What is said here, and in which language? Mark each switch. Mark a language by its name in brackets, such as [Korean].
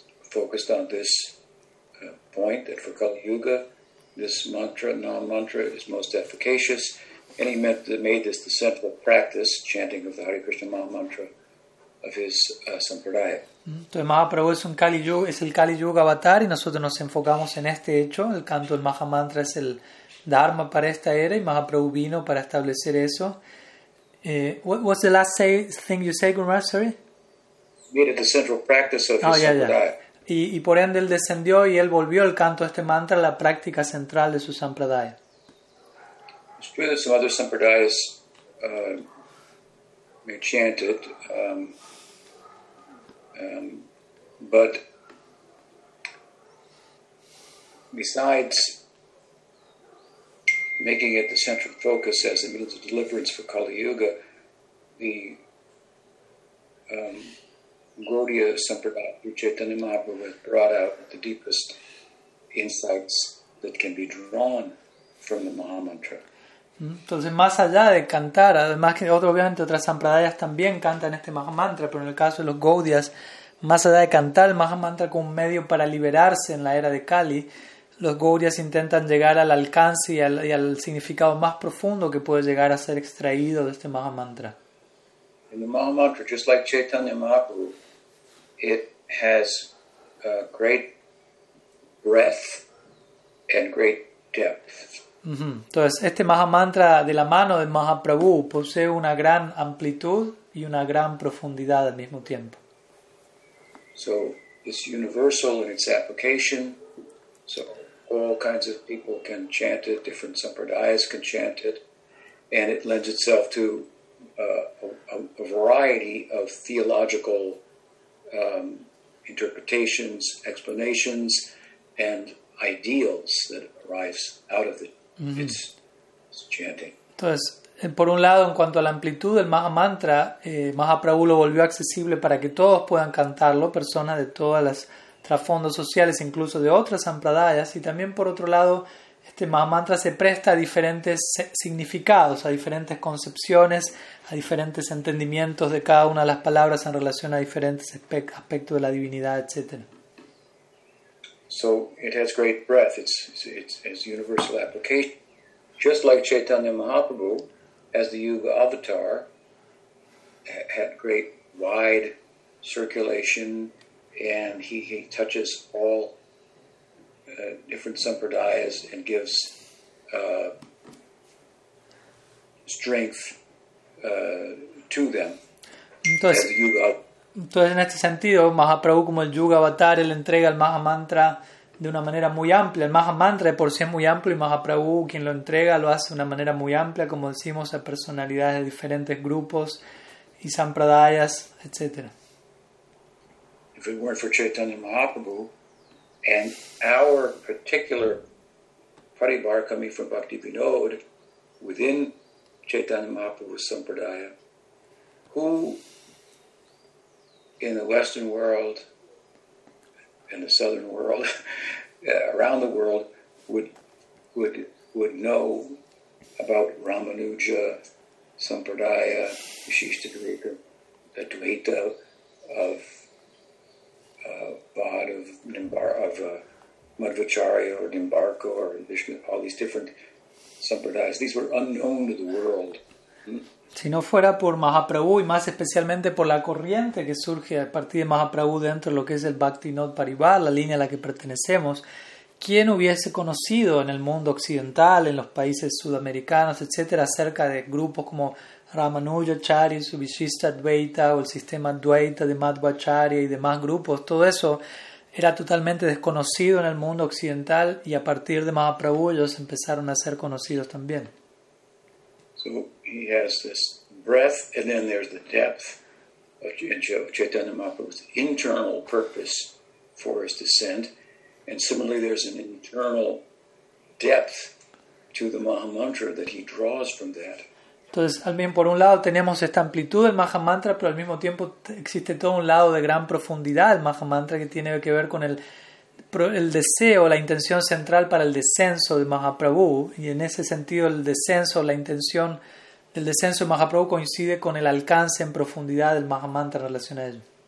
[English] Focused on this point that for Kali Yuga, this mantra, Nam mantra, is most efficacious, and he made this the central practice, chanting of the Hare Krishna Maha mantra of his sampradaya. [Spanish] Entonces, Mahaprabhu es un Kali Yuga, es el Kali Yuga avatar, y nosotros nos enfocamos en este hecho. El canto del Maha mantra es el dharma para esta era, y Mahaprabhu vino para establecer eso. [English] What was the last thing you said, Gurmar? Sorry. Made it the central practice of his sampradaya. Yeah. [Spanish] Y por ende él descendió y él volvió el canto a este mantra a la práctica central de su sampradaya. [English] It's true that some other sampradayas may chant it, but besides making it the central focus as a means of deliverance for Kali Yuga, the Gaudiya Sampradaya, Chaitanya Mahaprabhu has brought out the deepest insights that can be drawn from the Maha Mantra. [Spanish] Entonces, más allá de cantar, además que obviamente otras sampradayas también cantan este Maha Mantra, pero en el caso de los Gaudiyas, más allá de cantar el Maha Mantra como un medio para liberarse en la era de Kali, los Gaudiyas intentan llegar al alcance y al significado más profundo que puede llegar a ser extraído de este Maha Mantra. [English] In the Maha Mantra, just like Chaitanya Mahaprabhu, it has a great breadth and great depth. [Spanish] Entonces, este Maha Mantra de la mano de Mahaprabhu posee una gran amplitud y una gran profundidad al mismo tiempo. [English] So, it's universal in its application. So, all kinds of people can chant it, different sampradayas can chant it, and it lends itself to a variety of theological interpretations, explanations, and ideals that arise out of it. Mm-hmm. It's chanting. [Spanish] Entonces, por un lado, en cuanto a la amplitud del Mahamantra, Mahaprabhu lo volvió accesible para que todos puedan cantarlo, personas de todas las trasfondos sociales, incluso de otras sampradayas, y también por otro lado, este Mahamantra se presta a diferentes significados, a diferentes concepciones, a diferentes entendimientos de cada una de las palabras en relación a diferentes aspectos de la divinidad, etc. [English] So, it has great breadth, it's universal application. Just like Chaitanya Mahaprabhu, as the Yuga Avatar, had great wide circulation, and he touches all different sampradayas and gives strength to them. [Spanish] Entonces, [English] as the Yuga. [Spanish] Entonces, en este sentido, Mahaprabhu como el Yuga Avatar, él entrega el Mahamantra de una manera muy amplia. El Mahamantra de por sí es muy amplio y Mahaprabhu, quien lo entrega, lo hace de una manera muy amplia, como decimos, a personalidades de diferentes grupos y sampradayas, etc. [English] If it weren't for Chaitanya Mahaprabhu and our particular Paribar coming from Bhaktivinoda within Chaitanya Mahaprabhu's sampradaya, who in the Western world, in the Southern world, around the world, would know about Ramanuja sampradaya, Vishishtadvaita, the Dvaita of Bhad of Madhvacharya or Nimbarka or Vishnu, all these different sampradayas. These were unknown to the world. [Spanish] Si no fuera por Mahaprabhu y más especialmente por la corriente que surge a partir de Mahaprabhu dentro de lo que es el Bhakti Not Paribar, la línea a la que pertenecemos, ¿quién hubiese conocido en el mundo occidental, en los países sudamericanos, etcétera, acerca de grupos como Ramanujacharya, Vishishtadvaita o el sistema Dvaita de Madhvacharya y demás grupos? Todo eso era totalmente desconocido en el mundo occidental y a partir de Mahaprabhu ellos empezaron a ser conocidos también. [English] So he has this breadth, and then there's the depth of Chaitanya Mahaprabhu's internal purpose for his descent. And similarly, there's an internal depth to the Mahamantra that he draws from that. [Spanish] Entonces, también por un lado tenemos esta amplitud del Mahamantra, pero al mismo tiempo existe todo un lado de gran profundidad del Mahamantra que tiene que ver con el deseo, la intención central para el descenso de Mahaprabhu, y en ese sentido el descenso, la intención del descenso de Mahaprabhu coincide con el alcance en profundidad del Mahamantra en relación a él.